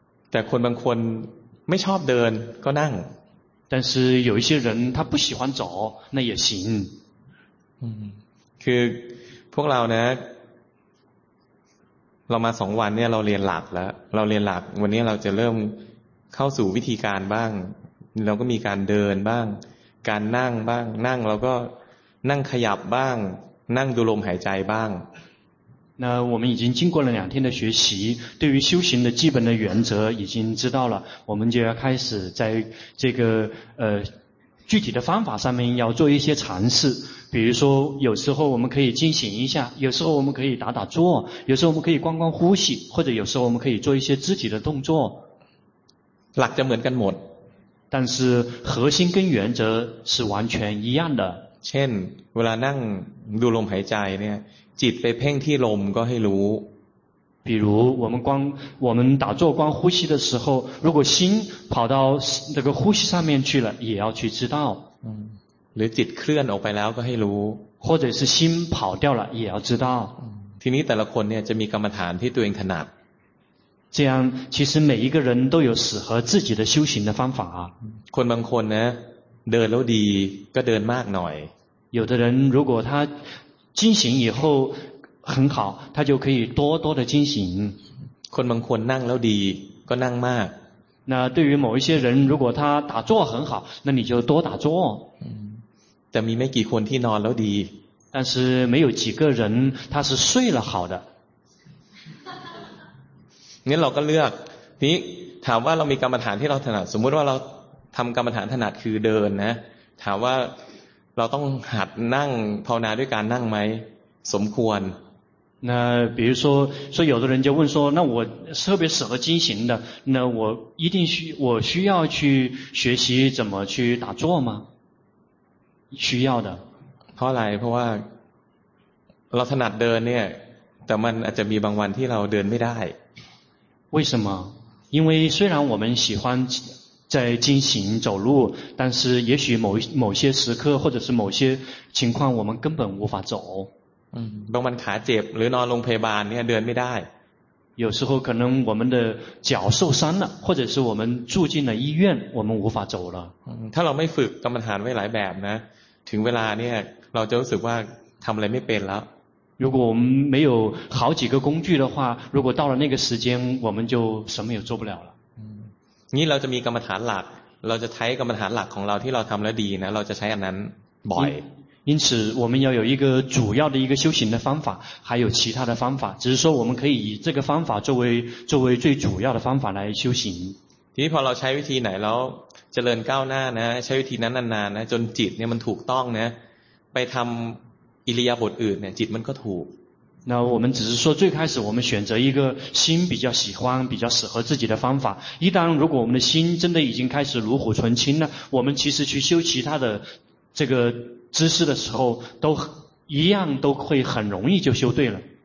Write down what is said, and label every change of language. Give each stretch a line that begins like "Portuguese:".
Thai: แต่คนบางคนไม่ชอบเดินก็นั่ง
Chinese: 但是有一些人他不喜欢走那也行
Thai: คือพวกเรานะเรามาสองวันเนี่ยเราเรียนหลักแล้วเราเรียนหลักวันนี้เราจะเริ่มเข้าสู่วิธีการบ้างเราก็มีการเดินบ้างการนั่งบ้างนั่งเราก็นั่งขยับบ้างนั่งดูลมหายใจบ้าง
Chinese: 那我们已经经过了两天的学习对于修行的基本的原则已经知道了我们就要开始在这个具体的方法上面要做一些尝试，比如说有时候我们可以静行一下，有时候我们可以打打坐，有时候我们可以观观呼吸，或者有时候我们可以做一些肢体的动作。
Thai: หลักจะเหมือนกันหมด
Chinese: 但是核心跟原则是完全一样的。
Thai: เช่นเวลานั่งดูลมหายใจเนี่ยจิตไปเพ่งที่ลมก็ให้รู้
Chinese: 比如我们打坐观呼吸的时候，如果心跑到那个呼吸上面去了，也要去知道。
Thai: หรือจิตเคลื่อนออกไปแล้วก็ให้รู้。
Chinese: 或者是心跑掉了，也要知道。
Thai: ทีนี้แต่ละคนเนี่ยจะมีกรรมฐานที่ตัวเองถนัด。
Chinese: 这样，其实每一个人都有适合自己的修行的方法。
Thai: คนบางคนนะเดินแล้วดีก็เดินมากหน่อย。
Chinese: 有的人如果他进行以后。很好，他就可以多多的进行。
Thai: คนบางคนนั่งแล้วดีก็นั่งมาก。
Chinese: 那对于某一些人，如果他打坐很好，那你就多打坐。
Thai: แต่มีไม่กี่คนที่นอนแล้วดี。
Chinese: 但是没有几个人他是睡了好的。
Thai: งั้นเราก็เลือกนี้ถามว่าเรามีกรรมฐานที่เราถนัดสมมติว่าเราทำกรรมฐานถนัดคือเดินนะถามว่าเราต้องหัดนั่งภาวนาด้วยการนั่งไหมสมควร
Chinese: 那比如说，所以有的人就问说，那我特别适合进行的，那我一定需我需要去学习怎么去打坐吗？需要的。
Thai: เพราะอะไรเพราะว่าเราถนัดเดินเนี่ยแต่มันอาจจะมีบางวันที่เราเดินไม่ได้
Chinese: 。 为什么？因为虽然我们喜欢在进行走路，但是也许某些时刻或者是某些情况，我们根本无法走。
Thai: บางวันขาเจ็บหรือนอนโรงพยาบาลเนี่ยเดินไม่ได้
Chinese: 有时候可能我们的脚受伤了或者是我们住进了医院我们无法走了
Thai: ถ้าเราไม่ฝึกกรรมฐานไว้หลายแบบนะถึงเวลาเนี่ยเราจะรู้สึกว่าทำอะไรไม่เป็นแล้ว
Chinese: 如果我们没有好几个工具的话如果到了那个时间我们就什么也做不了了
Thai: นี่เราจะมีกรรมฐานหลักเราจะใช้กรรมฐานหลักของเราที่เราทำแล้วดีนะเราจะใช้อันนั้นบ่อย
Chinese: 因此我们要有一个主要的一个修行的方法还有其他的方法只是说我们可以以这个方法作为最主要的方法来修行
Thai: ทีนี้พอเราใช้วิธีไหนแล้วเจริญก้าวหน้านะใช้วิธีนั้นนานๆนะจนจิตเนี่ยมันถูกต้องนะไปทำอิริยาบถอื่นเนี่ยจิตมันก็ถูก
Chinese: 那我们只是说最开始我们选择一个心比较喜欢比较适合自己的方法一旦如果我们的心真的已经开始炉火纯青了我们其实去修其他的这个知识的时候都一样都会很容易就修对了